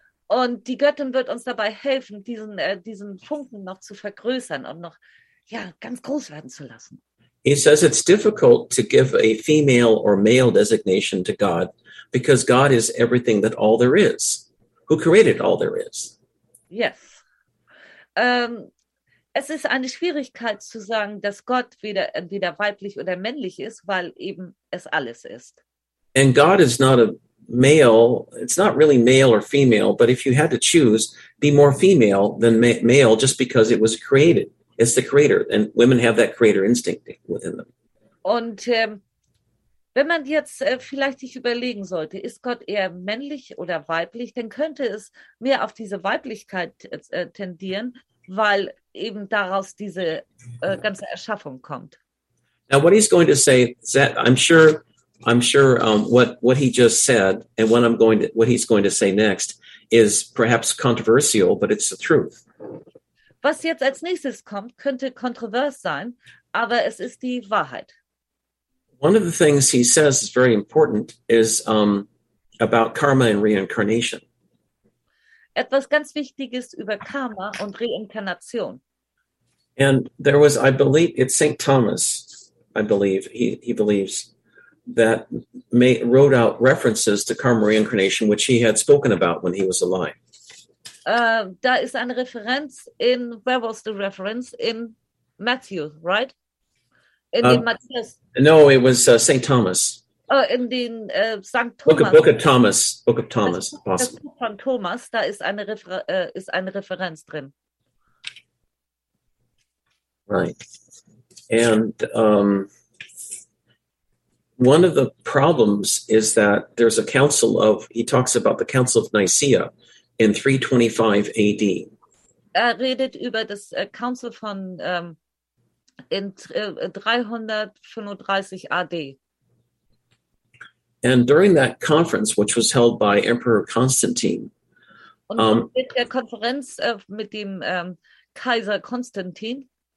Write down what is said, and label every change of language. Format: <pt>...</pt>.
<de>Und die Göttin wird uns dabei helfen, diesen Funken noch zu vergrößern und noch, ja, ganz groß werden zu lassen.</de> <en>He says it's difficult to give a female or male designation to God, because God is everything that all there is, who created all there is. Yes.</en> <de>Es ist eine Schwierigkeit zu sagen, dass Gott weder entweder weiblich oder männlich ist, weil eben es alles ist.</de> <en>And God is not a male, it's not really male or female, but if you had to choose, be more female than male, just because it was created. It's the creator, and women have that creator instinct within them.</en> <de>Und wenn man jetzt vielleicht sich überlegen sollte, ist Gott eher männlich oder weiblich, dann könnte es mehr auf diese Weiblichkeit tendieren, weil eben daraus diese ganze Erschaffung kommt.</de> <en>Now what he's going to say, that I'm sure what he just said, and what he's going to say next is perhaps controversial, but it's the truth.</en> <de>Was jetzt als nächstes kommt, könnte kontrovers sein, aber es ist die Wahrheit.</de> <en>One of the things he says is very important is about karma and reincarnation.</en> <de>Etwas ganz Wichtiges über Karma und Reinkarnation.</de> <en>And there was, I believe, it's St. Thomas, I believe, he believes, that wrote out references to karma reincarnation, which he had spoken about when he was alive.</en> <de>Da ist eine Referenz in,</de> <en>where was the reference? In Matthew, right? In the Matthias. No, it was St. Thomas.</en> <de>in den St. Thomas.</de> <en>Book of Thomas.</en> <de>Das Buch von Thomas, da ist eine Referenz drin.</de> <en>Right. And one of the problems is that there's a council of, he talks about the Council of Nicaea in 325 AD.</en> <de>Er redet über das Council von in 335 AD.</de> <en>And during that conference, which was held by Emperor Constantine.</en> <de>Und mit der Konferenz mit dem Kaiser Konstantin.</de>